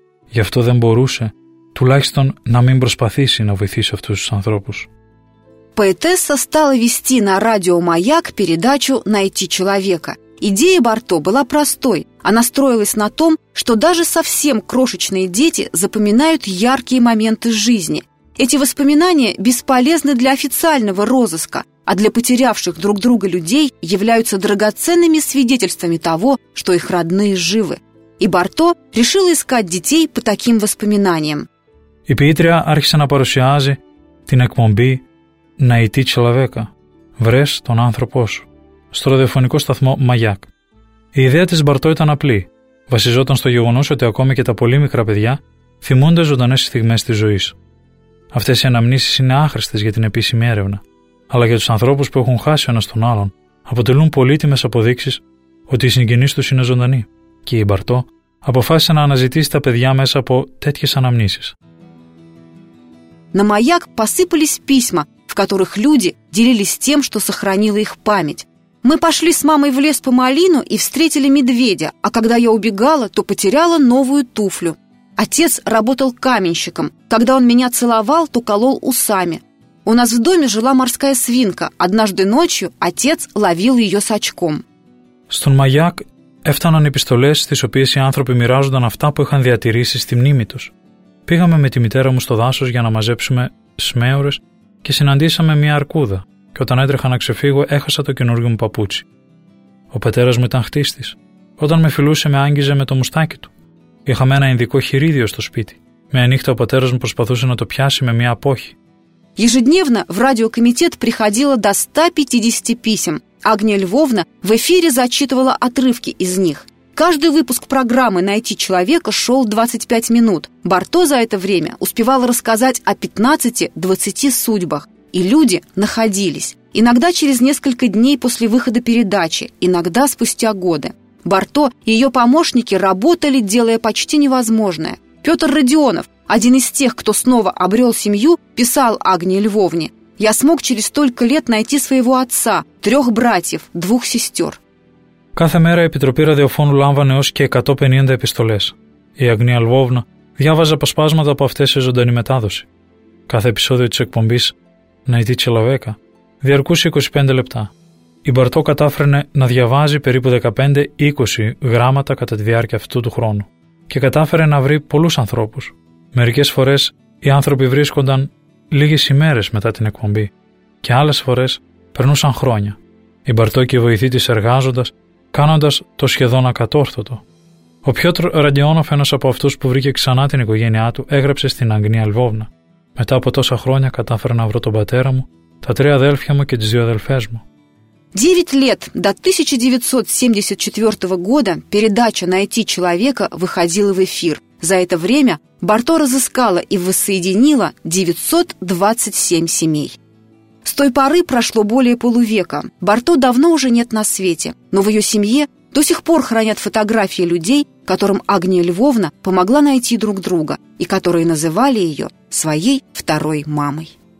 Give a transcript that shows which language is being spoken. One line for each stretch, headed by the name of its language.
Greek: Γι' αυτό δεν μπορούσε τουλάχιστον να μην προσπαθήσει να βοηθήσει αυτούς τους ανθρώπους.
Russian: Поэтесса стала вести на радио «Маяк» передачу «Найти человека». Идея Барто была простой. Она строилась на том, что даже совсем крошечные дети запоминают яркие моменты жизни. Эти воспоминания бесполезны для официального розыска, а для потерявших друг друга людей являются драгоценными свидетельствами того, что их родные живы. И Барто решила искать детей по таким воспоминаниям.
Greek: Η ποιήτρια άρχισε να παρουσιάζει την εκπομπή «Найти человека» «Βρες τον άνθρωπό σου» στο ραδιοφωνικό σταθμό «Μαγιάκ». Η ιδέα της Μπαρτό ήταν απλή. βασιζόταν στο γεγονός ότι ακόμη και τα πολύ μικρά παιδιά θυμούνται ζωντανές στιγμές της ζωής. Αυτές οι αναμνήσεις είναι άχρηστες για την επίσημη έρευνα, αλλά για τους ανθρώπους που έχουν χάσει ο ένας τον άλλον, αποτελούν πολύτιμες αποδείξεις ότι οι συγγενείς τους είναι ζωντανοί. Και η Μπαρτό αποφάσισε να αναζητήσει τα παιδιά μέσα από τέτοιες αναμνήσεις.
Russian: На маяк посыпались письма, в которых люди делились тем, что сохранило их память. Мы пошли с мамой в лес по малину и встретили медведя, а когда я убегала, то потеряла новую туфлю. Отец работал каменщиком. Когда он меня целовал, то колол усами. У нас в доме жила морская свинка. Однажды ночью отец ловил ее с очком.
Greek: Στον маяк έφταναν επιστολές, στις οποίες οι άνθρωποι μοιράζονταν αυτά που είχαν διατηρήσει στη μνήμη τους. Πήγαμε με τη μητέρα μου στο δάσος για να μαζέψουμε σμέουρες και συναντήσαμε μια αρκούδα. Και όταν έτρεχα να ξεφύγω, έχασα το καινούργιο μου παπούτσι. Ο πατέρας μου ήταν χτίστης. Όταν με φιλούσε, με άγγιζε με το μουστάκι του. Είχαμε ένα ειδικό χειρίδιο στο σπίτι. Μια νύχτα ο πατέρας μου προσπαθούσε να το πιάσει με μια απόχη.
Russian: Ежедневно в радиокомитет приходило до 150 писем. Агния Львовна в эфире зачитывала отрывки из них. Каждый выпуск программы «Найти человека» шел 25 минут. Барто за это время успевал рассказать о 15-20 судьбах. И люди находились. Иногда через несколько дней после выхода передачи, иногда спустя годы. Барто и ее помощники работали, делая почти невозможное. Петр Родионов, один из тех, кто снова обрел семью, писал Агнии Львовне: «Я смог через столько лет найти своего отца, трех братьев, двух сестер».
Greek: Κάθε μέρα η Επιτροπή Ραδιοφώνου λάμβανε έως και 150 επιστολές. Η Αγνία Λβόβνα διάβαζε αποσπάσματα από αυτές σε ζωντανή μετάδοση. Κάθε επεισόδιο της εκπομπής «Ναϊτή Τσελαβέκα» διαρκούσε 25 λεπτά. Η Μπαρτό κατάφερνε να διαβάζει περίπου 15-20 γράμματα κατά τη διάρκεια αυτού του χρόνου και κατάφερε να βρει πολλούς ανθρώπους. Μερικές φορές οι άνθρωποι βρίσκονταν λίγες ημέρες μετά την εκπομπή και άλλες φορές περνούσαν χρόνια. Η Μπαρτό και η βοηθή της εργάζοντας, κάνοντας το σχεδόν ακατόρθωτο. Ο Πιότρ Ραντιόνοφ, ένας από αυτούς που βρήκε ξανά την οικογένειά του, έγραψε στην Αγνία Λβόβνα: «Μετά από τόσα χρόνια κατάφερα να βρω τον πατέρα μου, τα τρία αδέλφια μου και τις δύο αδελφές μου».
Russian: 9 лет до 1974 года передача «Найти человека» выходила в эфир. За это время Барто разыскала и воссоединила 927 семей. С той поры прошло более полувека. Барто давно уже нет на свете, но в ее семье до сих пор хранят фотографии людей, которым Агния Львовна помогла найти друг друга и которые называли ее своей второй мамой.